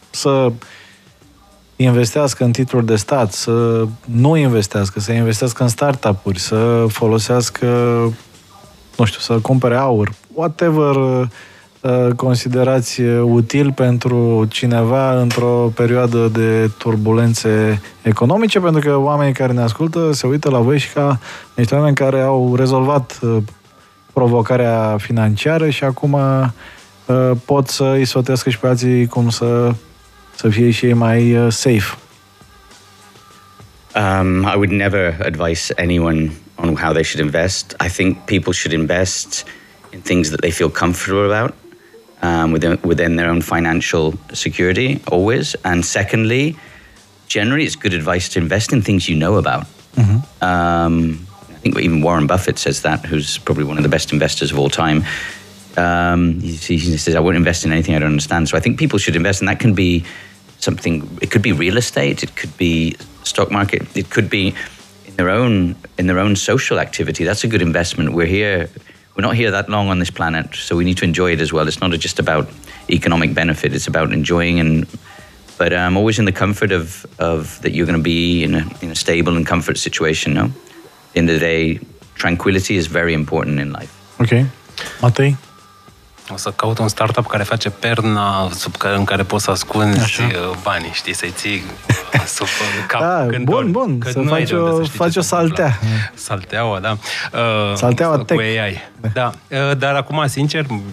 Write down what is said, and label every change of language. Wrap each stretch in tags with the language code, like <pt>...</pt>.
<ro>Să investească în titluri de stat, să nu investească, să investească în startup-uri, să folosească, nu știu, să cumpere aur, whatever considerați util pentru cineva într-o perioadă de turbulențe economice, pentru că oamenii care ne ascultă se uită la voi și ca niște oameni care au rezolvat provocarea financiară și acum pot să îi sfătuiască și pe alții cum să fie și ei mai safe.</ro> <en>I would never advise anyone on how they should invest. I think people should invest in things that they feel comfortable about. Within their own financial security, always. And secondly, generally, it's good advice to invest in things you know about. I think even Warren Buffett says that, who's probably one of the best investors of all time. He says, I won't invest in anything I don't understand. So I think people should invest, and that can be something, it could be real estate, it could be stock market, it could be in their own social activity. That's a good investment. We're not here that long on this planet, so we need to enjoy it as well. It's not just about economic benefit, it's about enjoying but always in the comfort of that you're going to be in a stable and comfort situation, no? At the end of the day, tranquility is very important in life. Okay. Matei?</en> <ro>O să caut un startup care face perna în care poți să ascunzi banii, știi, să-i ții sub cap. Da, bun, să faci o saltea. Salteaua, da. Salteaua cu AI. Da. Dar acum, sincer,</ro>